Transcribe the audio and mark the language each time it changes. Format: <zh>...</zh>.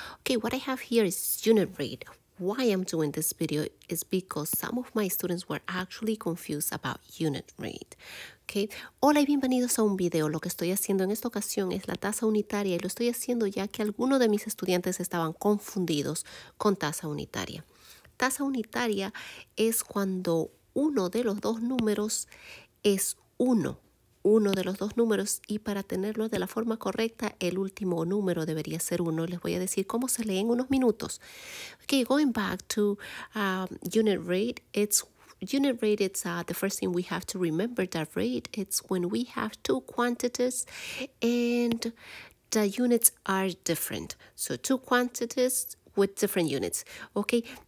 <en>Okay, what I have here is unit read. Why I'm doing this video is because some of my students were actually confused about unit read.</en> <es>Okay, hola y bienvenidos a un video. Lo que estoy haciendo en esta ocasión es la tasa unitaria y lo estoy haciendo ya que algunos de mis estudiantes estaban confundidos con tasa unitaria. Tasa unitaria es cuando uno de los dos números es uno. Uno de los dos números, y para tenerlo de la forma correcta, el último número debería ser uno. Les voy a decir cómo se lee en unos minutos.</es> <en>Okay, going back to unit read, the first thing we have to remember that read, it's when we have two quantities and the units are different. So two quantities with different units, okay?</en>